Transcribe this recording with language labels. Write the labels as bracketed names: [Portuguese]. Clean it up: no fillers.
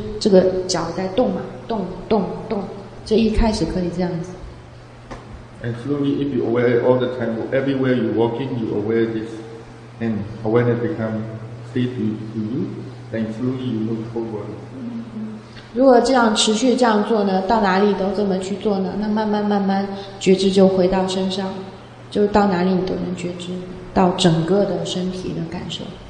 [Chinese] 就一开始呢，先觉知，就走路的时候就触到地面嘛，就触地面，触，或者呢，可以觉知这个脚在动嘛。动，这一开始可以这样子。 [English] And slowly, if you aware all the time, everywhere you walking, you aware this, and awareness become free to you, then slowly you move forward. [Chinese] 如果这样持续这样做呢，到哪里都这么去做呢，那慢慢慢慢觉知就回到身上，就到哪里你都能觉知到整个的身体的感受。